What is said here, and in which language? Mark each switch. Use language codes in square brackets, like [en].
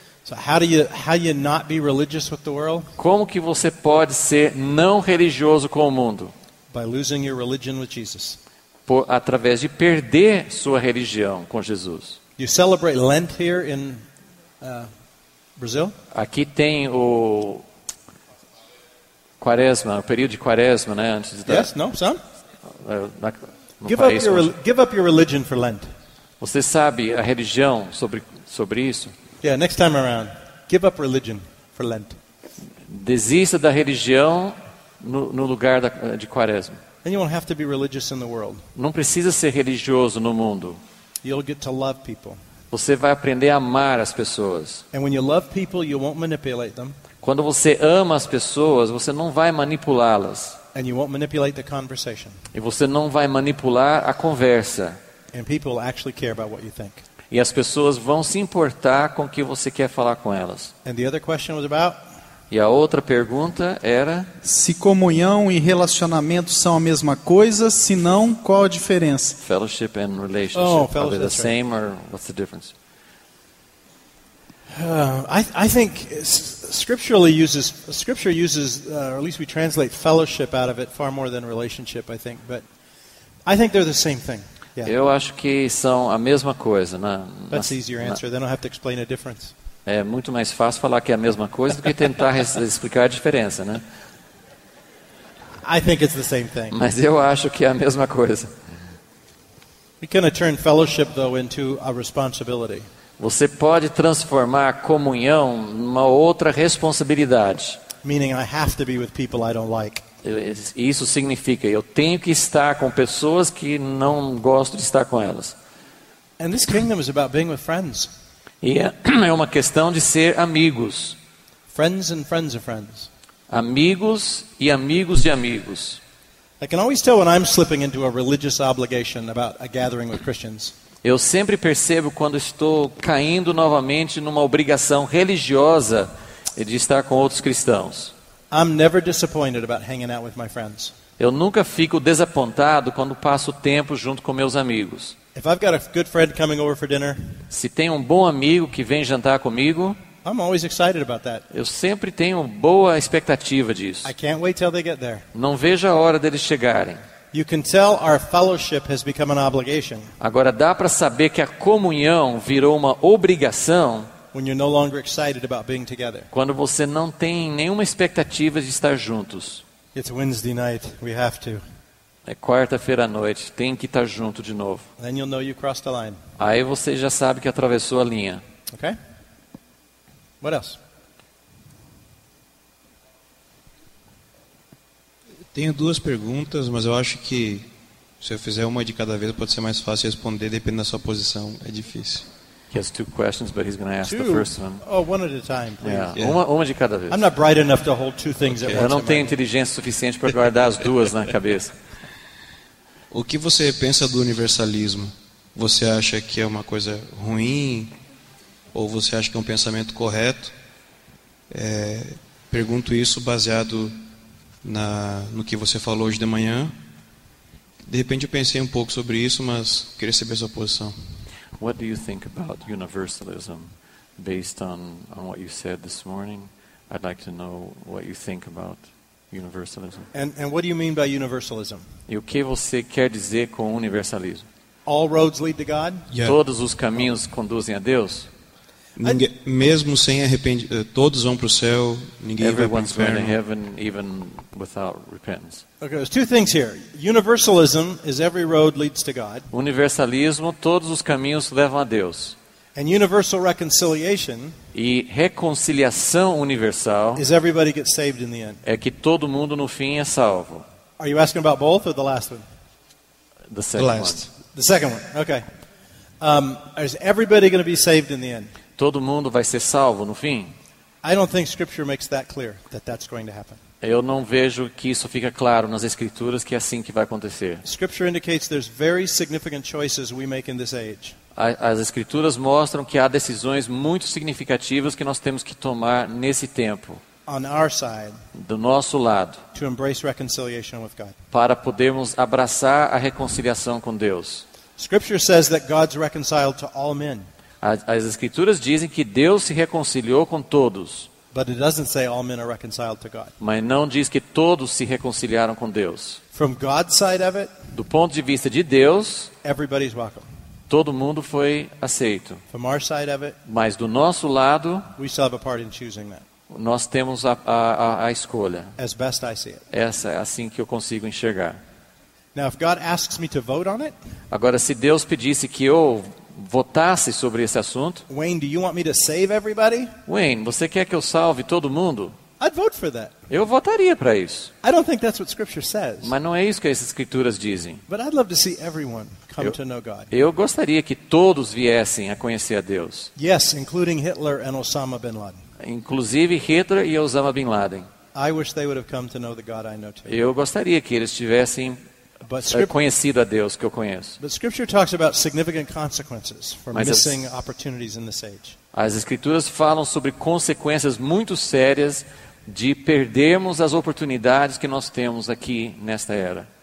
[en] So how do you not be religious with the world? [pt] Como que você pode ser não religioso com o mundo? [en] By losing your religion with Jesus. [pt] Através de perder sua religião com Jesus. [en] You celebrate Lent here in Brazil? [pt] Aqui tem o Quaresma, o período de Quaresma, né, antes da... [en] Yes, no, son? Give up your religion for Lent. [pt] Você sabe a religião sobre isso? [en] Yeah, next time around, give up religion for Lent. [pt] Desista da religião no lugar de Quaresma. [en] And you won't have to be religious in the world. [pt] Não precisa ser religioso no mundo. [en] You'll get to love people. [pt] Você vai aprender a amar as pessoas. [en] And when you love people, you won't manipulate them. [pt] Quando você ama as pessoas, você não vai manipulá-las. [en] And you won't manipulate the conversation. [pt] E você não vai manipular a conversa. [en] And people actually care about what you think. [pt] E as pessoas vão se importar com o que você quer falar com elas. [en] And the other question was about? [pt] E a outra pergunta era? Se comunhão e relacionamento são a mesma coisa, se não, qual a diferença? [en] Fellowship and relationship, are they the same or what's the difference? I think scripture uses or at least we translate fellowship out of it far more than relationship, I think, but I think they're the same thing. Yeah. [pt] Eu acho que são a mesma coisa, né? [en] That's easier answer. They don't have to explain a difference. [pt] É muito mais fácil falar que é a mesma coisa do que tentar explicar a diferença, né? [en] I think it's the same thing. [pt] Mas eu acho que é a mesma coisa. [en] We can turn fellowship though into a responsibility. [pt] Você pode transformar a comunhão numa outra responsabilidade. [en] Meaning I have to be with people I don't like. [pt] Isso significa eu tenho que estar com pessoas que não gosto de estar com elas. [en] And this kingdom is about being with friends. [pt] E é uma questão de ser amigos. [en] Friends and friends of friends. [pt] Amigos e amigos de amigos. [en] I can always tell when I'm slipping into a religious obligation about a gathering with Christians. [pt] Eu sempre percebo quando estou caindo novamente numa obrigação religiosa de estar com outros cristãos. [en] I'm never disappointed about hanging out with my friends. [pt] Eu nunca fico desapontado quando passo tempo junto com meus amigos. [en] If I've got a good friend coming over for dinner, [pt] se tem um bom amigo que vem jantar comigo, [en] I'm always excited about that. [pt] Eu sempre tenho boa expectativa disso. [en] I can't wait till they get there. [pt] Não vejo a hora deles chegarem. [en] You can tell our fellowship has become an obligation. [pt] Agora dá para saber que a comunhão virou uma obrigação. [en] When you're no longer excited about being together. [pt] Quando você não tem nenhuma expectativa de estar juntos. [en] It's Wednesday night. We have to. [pt] É quarta-feira à noite. Tem que estar junto de novo. [en] Then you'll know you crossed the line. [pt] Aí você já sabe que atravessou a linha. [en] Okay. What else? [pt] Tenho duas perguntas, mas eu acho que se eu fizer uma de cada vez pode ser mais fácil responder, dependendo da sua posição, é difícil. [en] He has two questions, but he's going to ask two. The first one. Oh, one at a time, please. [pt] Yeah. Yeah. Uma de cada vez. [en] I'm not bright enough to hold two things okay. at once. [pt] Eu não tenho inteligência suficiente para guardar as duas na cabeça. O que você pensa do universalismo? Você acha que é uma coisa ruim? Ou você acha que é um pensamento correto? Pergunto isso baseado no que você falou hoje de manhã. De repente eu pensei um pouco sobre isso, mas queria saber a sua posição. [en] What do you think about universalism based on what you said this morning? I'd like to know what you think about universalism. And what do you mean by universalism? [pt] E o que você quer dizer com universalismo? [en] All roads lead to God? [pt] Yeah. Todos os caminhos conduzem a Deus? Ninguém, mesmo sem arrepender, todos vão para o céu, ninguém [en] Everyone's [pt] vai para o inferno. [en] Heaven, even without repentance. Okay, there's two things here. Universalism is every road leads to God. [pt] Universalismo, todos os caminhos levam a Deus. [en] And universal reconciliation. [pt] E reconciliação universal. [en] Is everybody gets saved in the end. [pt] É que todo mundo no fim é salvo. [en] Are you asking about both or the last one? The second the last. One. The second one. Okay. Is everybody going to be saved in the end? [pt] Todo mundo vai ser salvo no fim? [en] I don't think scripture makes that clear that that's going to happen. [pt] Eu não vejo que isso fica claro nas escrituras que é assim que vai acontecer. [en] Scripture indicates there's very significant choices we make in this age. [pt] As escrituras mostram que há decisões muito significativas que nós temos que tomar nesse tempo. [en] On our side. [pt] Do nosso lado. [en] To embrace reconciliation with God. [pt] Para podermos abraçar a reconciliação com Deus. [en] Scripture says that God's reconciled to all men. [pt] As escrituras dizem que Deus se reconciliou com todos. [en] But it doesn't say all men are reconciled to God. [pt] Mas não diz que todos se reconciliaram com Deus. [en] From God's side of it, [pt] do ponto de vista de Deus, [en] everybody's welcome. [pt] Todo mundo foi aceito. [en] From our side of it, [pt] mas do nosso lado, [en] we still have a part in choosing that. [pt] Nós temos a escolha. [en] As best I see it. [pt] Essa é assim que eu consigo enxergar. [en] Now, if God asks me to vote on it, [pt] agora, se Deus pedisse que eu votasse sobre esse assunto, [en] Wayne, do you want me to save everybody? [pt] Wayne, você quer que eu salve todo mundo? [en] I'd vote for that. [pt] Eu votaria para isso. [en] I don't think that's what Scripture says. [pt] Mas não é isso que as escrituras dizem. [en] But I'd love to see everyone come to know God. [pt] Eu gostaria que todos viessem a conhecer a Deus. [en] Yes, including Hitler and Osama bin Laden. [pt] Inclusive Hitler e Osama bin Laden. [en] I wish they would have come to know the God I know too. [pt] Eu gostaria que eles tivessem conhecido a Deus que eu conheço. [en] But Scripture talks about significant consequences for missing opportunities in this age. [pt] As escrituras falam sobre consequências muito sérias de perdermos as oportunidades que nós temos aqui nesta era.